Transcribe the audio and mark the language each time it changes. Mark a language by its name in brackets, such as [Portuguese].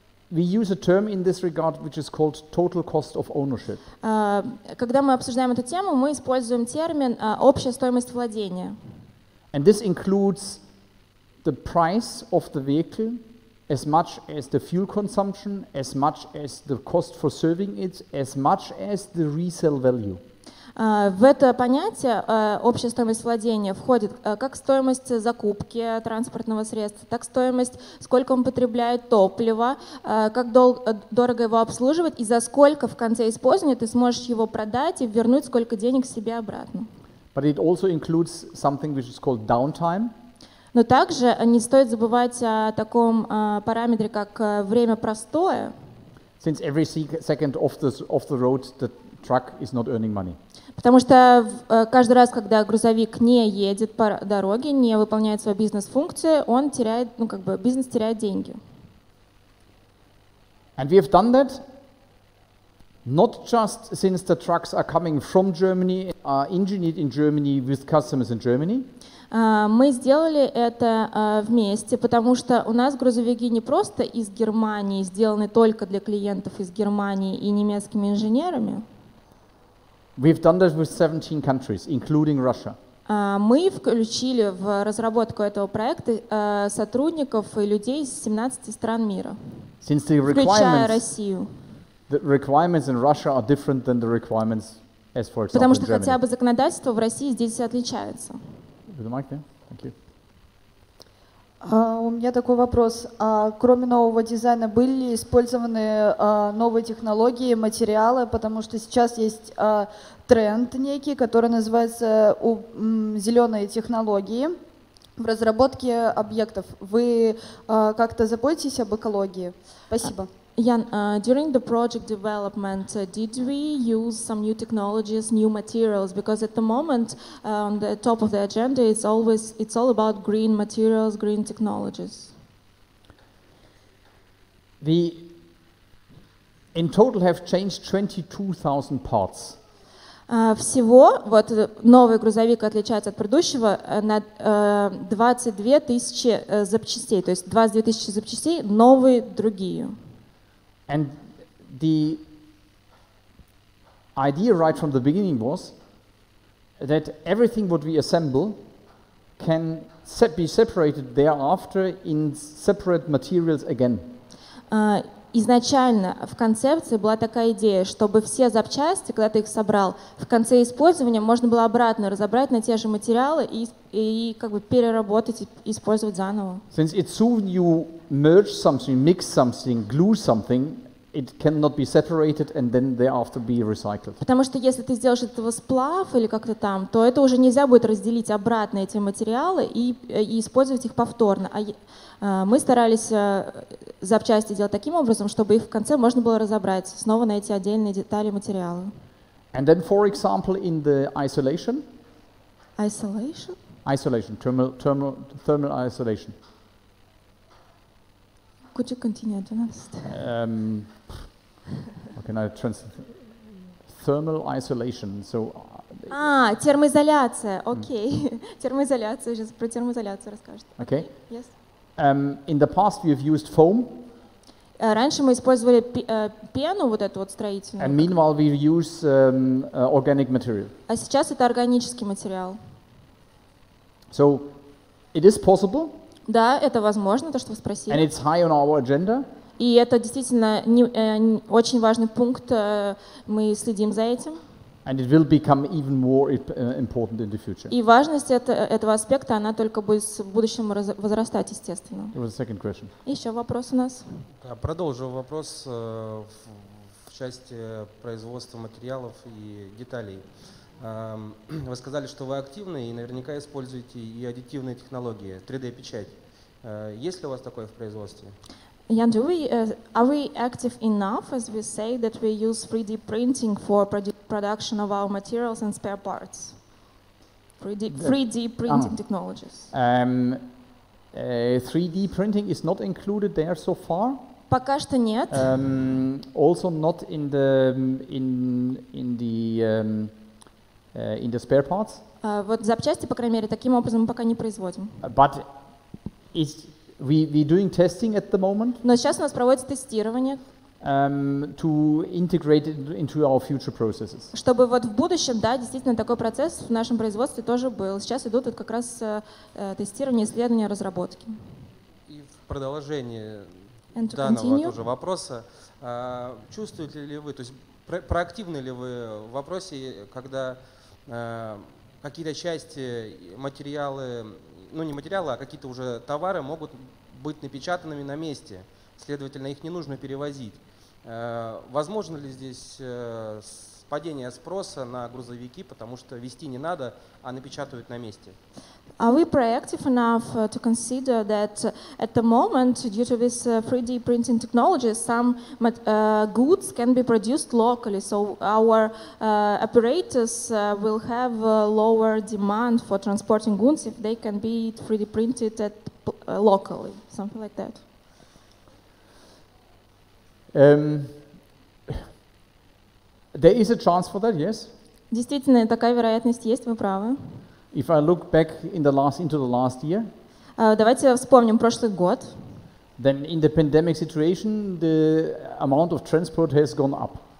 [English] We use a term in this regard, which is called total cost of ownership. [Russian] Когда мы обсуждаем эту тему, мы используем термин общая стоимость владения. [English] And this includes the price of the vehicle, as much as the fuel consumption, as much as the cost for serving it, as much as the resale value. [Russian] В это понятие общая стоимость владения входит как стоимость закупки транспортного средства, так стоимость, сколько он потребляет топлива, как дорого его обслуживать и за сколько в конце использования ты сможешь его продать и вернуть сколько денег себе обратно. [English] But it also includes something which is called downtime. [Russian] Но также не стоит забывать о таком параметре, как время простое. [English] Since every second off the road, the truck is not earning money. [Russian] Потому что каждый раз, когда грузовик не едет по дороге, не выполняет свою бизнес-функцию, он теряет, ну как бы бизнес теряет деньги. [English] And we have done that. Not just since the trucks are coming from Germany, are engineered in Germany with customers in Germany. [Russian] Мы сделали это вместе, потому что у нас грузовики не просто из Германии, сделаны только для клиентов из Германии и немецкими инженерами. [English] We've done that with 17 countries, including Russia. [Russian] Мы включили в разработку этого проекта сотрудников и людей из 17 стран мира, [English] since the requirements, [Russian] включая Россию. [English] The requirements in Russia are different than the requirements, as for example, in Germany. [Russian] Потому что хотя бы законодательство в России здесь отличается. [English] With the mic, yeah? Thank you. [Russian] У меня такой вопрос. Кроме нового дизайна, были ли использованы новые технологии, материалы? Потому что сейчас есть тренд некий, который называется зеленые технологии в разработке объектов. Вы как-то заботитесь об экологии? Спасибо. [English] Jan, during the project development, did we use some new technologies, new materials? Because at the moment, on the top of the agenda, it's all about green materials, green technologies. We, in total, have changed 22,000 parts. [Russian] Всего вот новый грузовик отличается от предыдущего на 22 тысячи запчастей, то есть 22 тысячи запчастей, новые другие. [English] And the idea right from the beginning was that everything what we assemble can be separated thereafter in separate materials again. [Russian] Изначально в концепции была такая идея, чтобы все запчасти, когда ты их собрал, в конце использования можно было обратно разобрать на те же материалы и как бы переработать, использовать заново. [English] Since it's soon you merge something, mix something, glue something, it cannot be separated and then thereafter be recycled. [Russian] Потому что если ты сделаешь этого сплав или как-то там, то это уже нельзя будет разделить обратно эти материалы и использовать их повторно. Мы старались запчасти делать таким образом, чтобы их в конце можно было разобрать, снова найти отдельные детали материала. [English] And then, for example, in the isolation? Isolation? Isolation, thermal isolation. Could you continue to next? Can I translate? Thermal isolation, so... [Russian] термоизоляция, окей. [English] Okay. [Russian] Термоизоляция, сейчас про термоизоляцию расскажет. [English] Okay. Yes. In the past, we have used foam. [Russian] Раньше мы использовали пену вот эту вот строительную. [English] And meanwhile, we use organic material. [Russian] А сейчас это органический материал. [English] So, it is possible. [Russian] Да, это возможно, то, что вы спросили. [English] And it's high on our agenda. [Russian] И это действительно очень важный пункт. Мы следим за этим. [English] And it will become even more important in the future. [Russian] И важность этого аспекта, она только будет в будущем возрастать, естественно. [English] There was a second question. [Russian] Еще вопрос у нас. Я продолжу вопрос в части производства материалов и деталей. Вы сказали, что вы активны и наверняка используете и аддитивные технологии, 3D-печать. Есть ли у вас такое в производстве? [English] Jan, are we active enough, as we say, that we use 3D printing for production of our materials and spare parts? 3D printing technologies. 3D printing is not included there so far. [Russian] Пока что нет. [English] Also not in the in the spare parts. [Russian] Вот запчасти, по крайней мере, таким образом мы пока не производим. [English] But is We're doing testing at the moment. [Russian] Но сейчас у нас проводится тестирование. [English] To integrate it into our future processes. [Russian] Чтобы вот в будущем, да, действительно такой процесс в нашем производстве тоже был. Сейчас идут вот как раз тестирование, исследования, разработки. И в продолжение данного тоже вопроса, чувствуете ли вы, то есть проактивны ли вы в вопросе, когда какие-то части, материалы, ну не материалы, а какие-то уже товары могут быть напечатанными на месте, следовательно, их не нужно перевозить. Возможно ли здесь падение спроса на грузовики, потому что везти не надо, а напечатают на месте? [English] Are we proactive enough to consider that at the moment, due to this 3D printing technology, some goods can be produced locally, so our operators will have lower demand for transporting goods if they can be 3D printed locally, something like that? There is a chance for that, yes. [Russian] Действительно, такая вероятность есть, вы правы. [English] If I look back into the last year. [Russian] Давайте вспомним прошлый год. [English] Then in the pandemic situation, the amount of transport has gone up.